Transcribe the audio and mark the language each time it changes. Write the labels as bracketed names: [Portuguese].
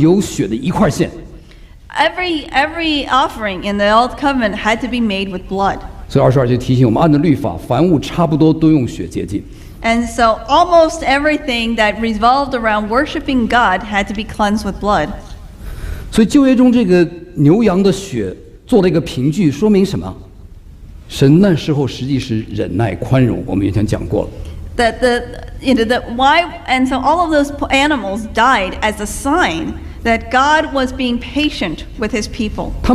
[Chinese] 旧约中所有的祭，包括燔祭在献的时候，包括这个谷物献的时候，都要跟其他的有血的一块献。 [English] Every offering in the old covenant had to be made with blood. [Chinese] 所以二十二节提醒我们，按着律法，凡物差不多都用血洁净。 [English] And so almost everything that revolved around worshiping God had to be cleansed with blood. [Chinese] 所以旧约中这个 牛羊的血做了一个凭据，说明什么？神那时候实际是忍耐宽容，我们以前讲过了。 [English] That and so all of those animals died as a sign that God was being patient with His people.